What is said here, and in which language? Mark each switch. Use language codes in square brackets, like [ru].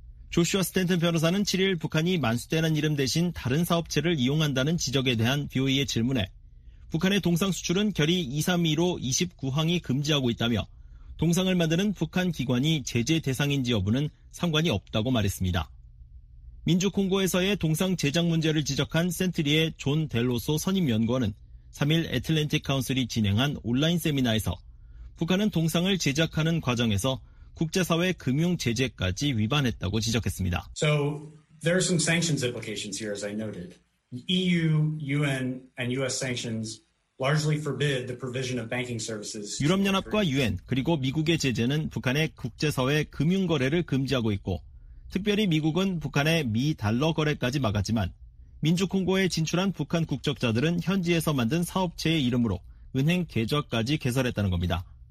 [ko] 조슈아 스탠튼 변호사는 7일 북한이 만수대라는 이름 대신 다른 사업체를 이용한다는 지적에 대한 BOE의 질문에 북한의 동상 수출은 결의 2325 29항이 금지하고 있다며 동상을 만드는 북한 기관이 제재 대상인지 여부는 상관이 없다고 말했습니다. 민주 콩고에서의 동상 제작 문제를 지적한 센트리의 존 델로소 선임연구원은 3일 애틀랜틱 카운슬이 진행한 온라인 세미나에서 북한은 동상을 제작하는 과정에서 국제사회 금융 제재까지 위반했다고 지적했습니다. [en] So there are some sanctions implications here, as I noted. EU, UN, and US sanctions largely forbid the provision of banking services. [ko] 유럽연합과 UN 그리고 미국의 제재는 북한의 국제사회 금융 거래를 금지하고 있고, 특별히 미국은 북한의 미 달러 거래까지 막았지만, 민주콩고에 진출한 북한 국적자들은 현지에서 만든 사업체의 이름으로 은행 계좌까지 개설했다는 겁니다.